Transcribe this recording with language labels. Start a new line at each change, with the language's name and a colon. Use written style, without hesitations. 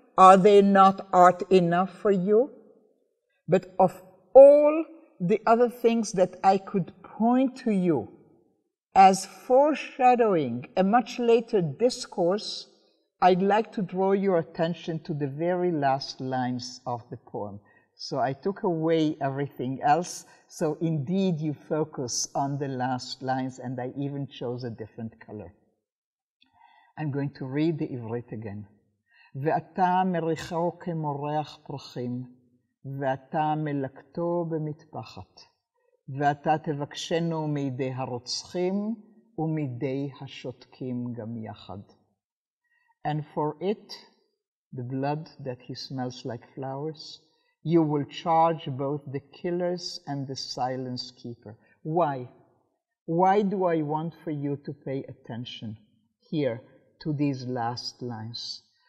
English: Are they not art enough for you? But of all the other things that I could point to you as foreshadowing a much later discourse, I'd like to draw your attention to the very last lines of the poem. So I took away everything else. So indeed, you focus on the last lines, and I even chose a different color. I'm going to read the Ivrit again.
Hebrew: ואתה מריחו כמורח פרחים, ואתה מלקטו במטפחת, ואתה תבקשנו מידי הרוצחים ומידי השותקים גם יחד.
English: And for it, the blood that he smells like flowers, you will charge both the killers and the silence keeper. Why? Why do I want for you to pay attention here to these last lines?